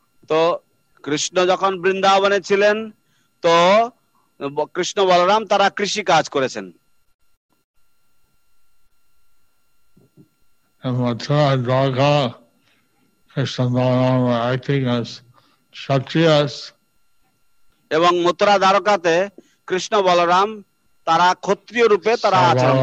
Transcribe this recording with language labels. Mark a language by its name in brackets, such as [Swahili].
[Bangla] তো কৃষ্ণ যখন বৃন্দাবনে ছিলেন তো কৃষ্ণ বলরাম তারা কৃষি কাজ করেছেন, [English] and Mathura and Dwarka, Krishna and Balaram were acting as kshatriyas. [Bangla] এবং মথুরা দ্বারকাতে কৃষ্ণ বলরাম তারা ক্ষত্রিয় রূপে তারা আচরণ